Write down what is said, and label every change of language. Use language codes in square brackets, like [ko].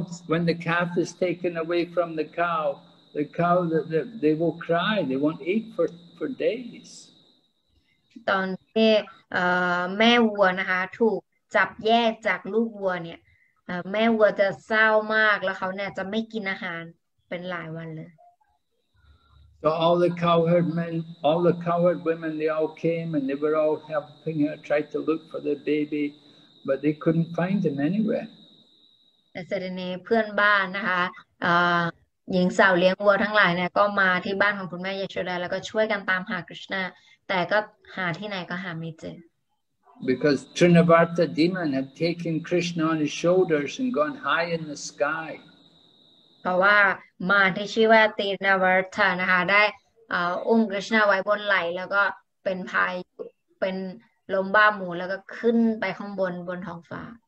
[en] when the calf is taken away from the cow they will cry they won't eat for days [th] ตอนที่แม่วัวนะคะถูกจับแยกจากลูกวัวเนี่ยแม่วัวจะเศร้ามากแล้วเขาเนี่ยจะไม่กินอาหารเป็นหลายวันเลย [en] So all the cowherd men, all the cowherd women, they all came and they were all helping her try to look for the baby, but they couldn't find him anywhere. [th] แต่เสร็จนี้เพื่อนบ้านนะคะหญิงสาวเลี้ยงวัวทั้งหลายเนี่ยก็มาที่บ้านของคุณแม่ยาโชดาแล้วก็ช่วยกันตามหาคริชนาแต่ก็หาที่ไหนก็หาไม่เจ [en] อ because Trnavarta demon had taken Krishna on his shoulders and gone high in the sky [th] เพราะว่ามารที่ชื่อว่าตรีนาวาร์ทานะคะได้อุ้มคริชนาไว้บนไหล่แล้วก็เป็นพายุเป็นลมบ้าหมูแล้วก็ขึ้นไปข้างบนบนท้องฟ้า